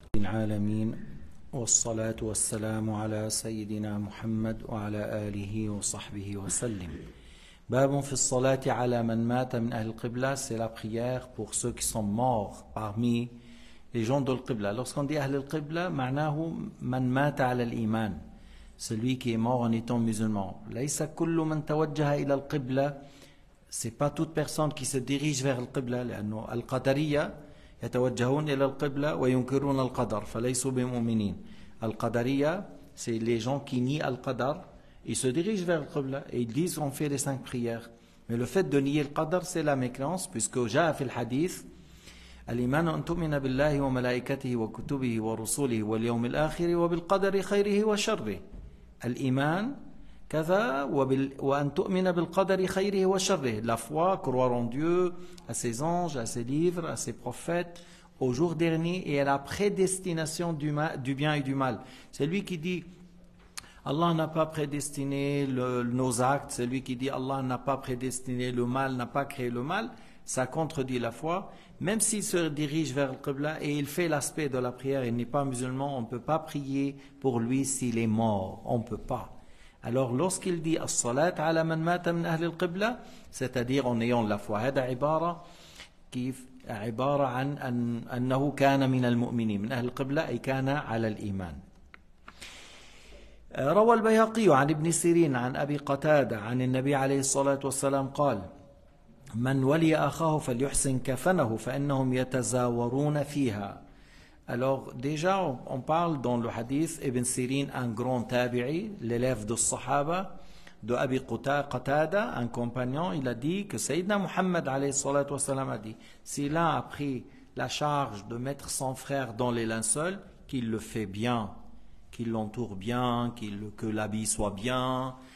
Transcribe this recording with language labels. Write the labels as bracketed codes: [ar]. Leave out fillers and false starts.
[ar] العالمين والصلاة والسلام على سيدنا محمد وعلى آله وصحبه وسلم. باب في الصلاة على من مات من أهل القبلة. [fr] C'est la prière pour ceux qui sont morts parmi les gens de القبلة. Lorsqu'on dit أهل القبلة, [ar] معناه من مات على الإيمان. [fr] Celui qui est mort en étant musulman. [ar] ليس كل من توجه إلى القبلة. [fr] C'est pas toute personne qui se dirige vers القبلة. [ar] لأنه القدرية يتوجهون إلى القبلة وينكرون القدر فليسوا بمؤمنين. [fr] القدرية c'est les gens qui nient القدر. Ils se dirigent vers le Qibla et ils disent on fait les cinq prières. Mais le fait de nier le Qadr, c'est la mécréance, puisque j'ai fait le hadith [ar] الإيمان أن تؤمن بالله وملائكته وكتبه ورسوله واليوم الآخر وبالقدر خيره وشره. الإيمان كذا وأن تؤمن بالقدر خيره وشره. [fr] La foi, croire en Dieu, à ses anges, à ses livres, à ses prophètes, au jour dernier et à la prédestination du bien et du mal. C'est lui qui dit Allah n'a pas prédestiné nos actes. C'est lui qui dit Allah n'a pas prédestiné le mal, n'a pas créé le mal. Ça contredit la foi. Même s'il se dirige vers le Qibla et il fait l'aspect de la prière, il n'est pas musulman, on ne peut pas prier pour lui s'il est mort. On ne peut pas. Alors lorsqu'il dit « [ar] As-salat ala man mata min ahli al-Qibla [fr] », c'est-à-dire en ayant la foi. [ar] Hada ibara qui ibara an annahu kana min al-mu'mini min ahli al-Qibla et kana ala al-iman. روى البيهقي عن ابن سيرين عن أبي قتادة عن النبي عليه الصلاة والسلام قال من ولي أخاه فليحسن كفنه فإنهم يتزاورون فيها. [fr] Alors déjà on parle dans le hadith ابن سيرين un grand tabi'i, l'élève de sahaba de Abi Qatada, un compagnon, il a dit que Sayyidina Muhammad [ar] عليه الصلاة والسلام [fr] a dit si l'un a pris la charge de mettre son frère dans les linceuls, qu'il le fait bien, qu'il l'entoure bien, que l'habit soit bien.